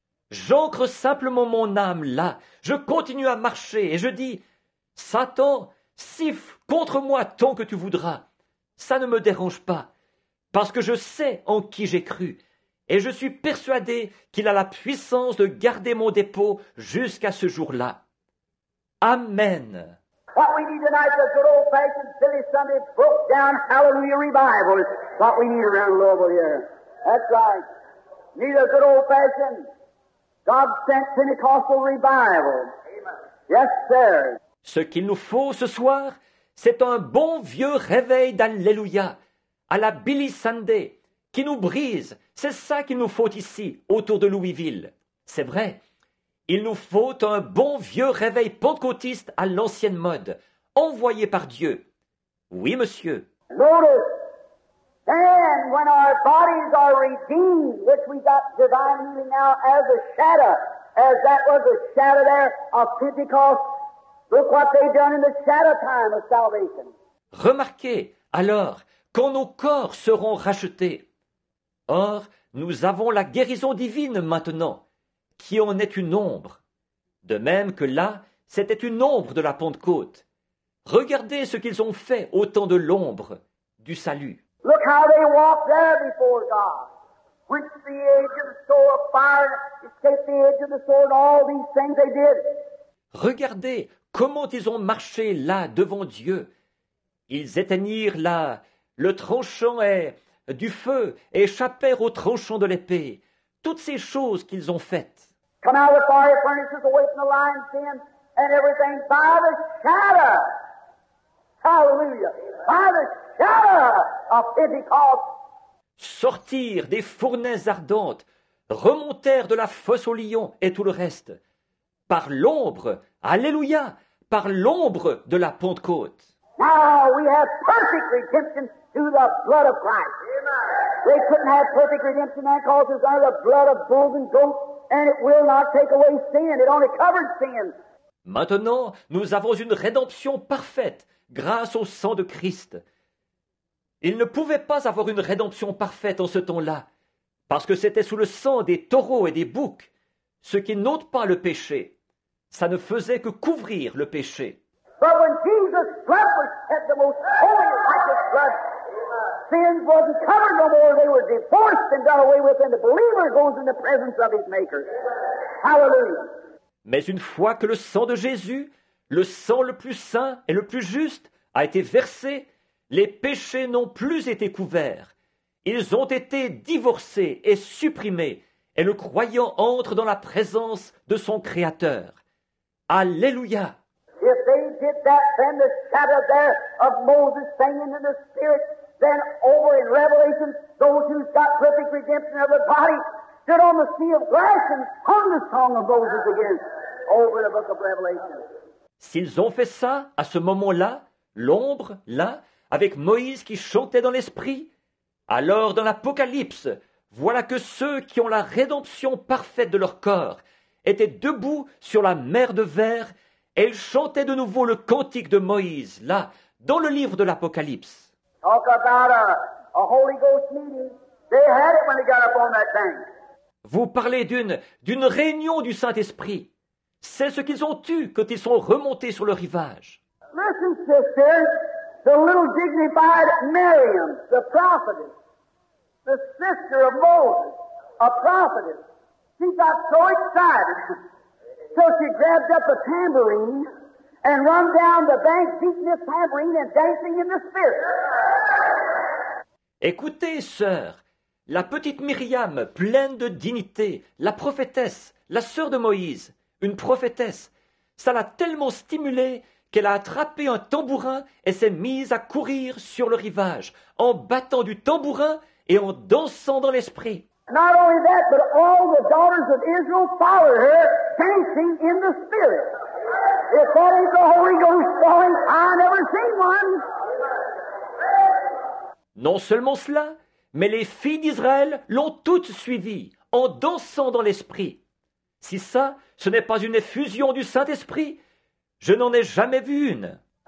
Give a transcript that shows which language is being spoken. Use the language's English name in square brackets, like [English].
[French] J'ancre simplement mon âme là. Je continue à marcher et je dis, Satan, siffle contre moi tant que tu voudras. Ça ne me dérange pas. Parce que je sais en qui j'ai cru. Et je suis persuadé qu'il a la puissance de garder mon dépôt jusqu'à ce jour-là. Amen. [English] What we need tonight is a good old-fashioned Philly Sunday broke-down hallelujah revival. It's what we need around Louisville here. That's right. Need a good old-fashioned God-sent Pentecostal revival. Amen. Yes, sir. [French] Ce qu'il nous faut ce soir, c'est un bon vieux réveil d'Alléluia à la Billy Sunday qui nous brise. C'est ça qu'il nous faut ici, autour de Louisville. C'est vrai. Il nous faut un bon vieux réveil pentecôtiste à l'ancienne mode, envoyé par Dieu. Oui, monsieur. [English] Notice, then when our bodies are redeemed, which we got divinely now as a shadow, as that was a shadow there of Pentecost, look what they've done in the shadow time of salvation. [French] Remarquez, alors, quand nos corps seront rachetés. Or, nous avons la guérison divine maintenant. Qui en est une ombre. De même que là, c'était une ombre de la Pentecôte. Regardez ce qu'ils ont fait au temps de l'ombre du salut. [English] Look how they walked there before God. Quench the edge of the sword of fire, escape the edge of the sword, all these things they did. [French] Regardez comment ils ont marché là devant Dieu. Ils éteignirent là le tranchant du feu et échappèrent au tranchant de l'épée. Toutes ces choses qu'ils ont faites. [English] Come out with fire furnaces away from the lion's den and everything by the shadow. Hallelujah. By the shadow of Pentecost. [French] Sortir des fournaises ardentes remontèrent de la fosse aux lions et tout le reste. Par l'ombre, alléluia, par l'ombre de la Pentecôte. [English] Now we have perfect redemption through the blood of Christ. They couldn't have perfect redemption that causes under the blood of bulls and goats, and it will not take away sin. It only covered sin. [French] Maintenant, nous avons une rédemption parfaite grâce au sang de Christ. Il ne pouvait pas avoir une rédemption parfaite en ce temps-là, parce que c'était sous le sang des taureaux et des boucs, ce qui n'ôte pas le péché. Ça ne faisait que couvrir le péché. [English] But when Jesus' blood was shed, the most holy and righteous blood, sins wasn't covered no more. They were divorced and done away with, and the believer goes in the presence of his Maker. Hallelujah. [French] Mais une fois que le sang de Jésus, le sang le plus saint et le plus juste, a été versé, les péchés n'ont plus été couverts. Ils ont été divorcés et supprimés, et le croyant entre dans la présence de son Créateur. Alléluia! [English] If they did that, then the shadow there of Moses singing in the Spirit, then over in Revelation, those who got perfect redemption of the body stood on the sea of glass and hung the song of Moses again. Over the book of Revelation. [French] S'ils ont fait ça, à ce moment-là, l'ombre, là, avec Moïse qui chantait dans l'esprit, alors dans l'Apocalypse, voilà que ceux qui ont la rédemption parfaite de leur corps étaient debout sur la mer de verre et ils chantaient de nouveau le cantique de Moïse, là, dans le livre de l'Apocalypse. [English] Talk about a Holy Ghost meeting. They had it when they got up on that thing. [French] Vous parlez d'une réunion du Saint-Esprit. C'est ce qu'ils ont eu quand ils sont remontés sur le rivage. [English] Listen, sister, the little dignified Miriam, the prophetess, the sister of Moses, a prophetess, she got so excited, so she grabbed up a tambourine and run down the bank, beating this tambourine and dancing in the spirit. [French] Écoutez, sœur, la petite Miriam, pleine de dignité, la prophétesse, la sœur de Moïse, une prophétesse, ça l'a tellement stimulée qu'elle a attrapé un tambourin et s'est mise à courir sur le rivage, en battant du tambourin et en dansant dans l'esprit. [English] Not only that, but all the daughters of Israel followed her, dancing in the spirit. If that ain't the Holy Ghost falling, I never seen one. [French] Non seulement cela, mais les filles d'Israël l'ont toutes suivie, en dansant dans l'esprit. Si ça, ce n'est pas une effusion du Saint-Esprit, je n'en ai jamais vu une.